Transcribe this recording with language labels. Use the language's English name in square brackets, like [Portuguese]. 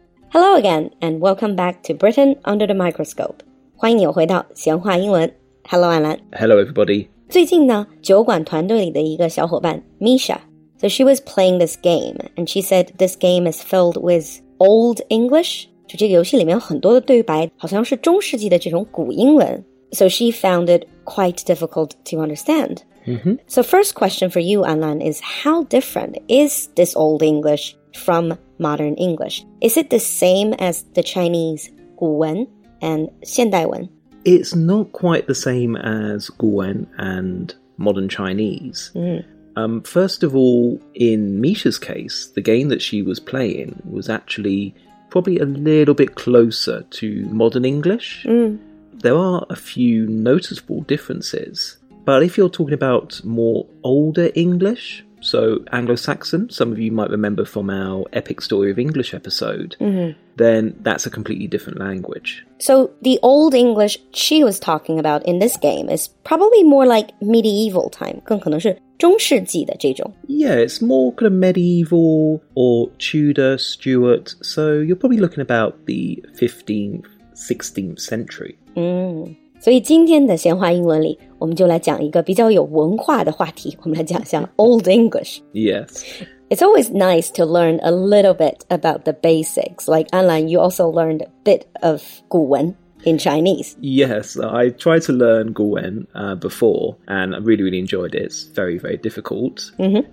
[English] Hello again and welcome back to Britain under the microscope. [Chinese] 欢迎你回到闲话英文。Hello 安兰。 [English] Hello everybody. [Chinese] 最近呢，酒馆团队里的一个小伙伴 [English] Misha，So she was playing this game, and she said this game is filled with old English. [Chinese] 就这个游戏里面有很多的对白，好像是中世纪的这种古英文。 [English] So she found it quite difficult to understand.、 Mm-hmm. So first question for you, Anlan, is how different is this old English from modern English? Is it the same as the Chinese 古文 and 现代文? It's not quite the same as 古文 and modern Chinese. Mm-hmm. First of all, in Misha's case, the game that she was playing was actually probably a little bit closer to modern English.、 Mm. There are a few noticeable differences, but if you're talking about more older English, so Anglo-Saxon, some of you might remember from our Epic Story of English episode,、 mm-hmm. then that's a completely different language. So the old English she was talking about in this game is probably more like medieval time, [Chinese] 更可能是中世纪的这种 [English] Yeah, it's more kind of medieval or Tudor, Stuart. So you're probably looking about the 15th, 16th century. [Chinese] 所以今天的闲话英文里我们就来讲一个比较有文化的话题。我们来讲一下 Old English. [English] Yes. It's always nice to learn a little bit about the basics. Like Anlan, you also learned a bit of 古文in Chinese. Yes, I tried to learn 古文、before, and I really, really enjoyed it. It's very, very difficult.、 Mm-hmm.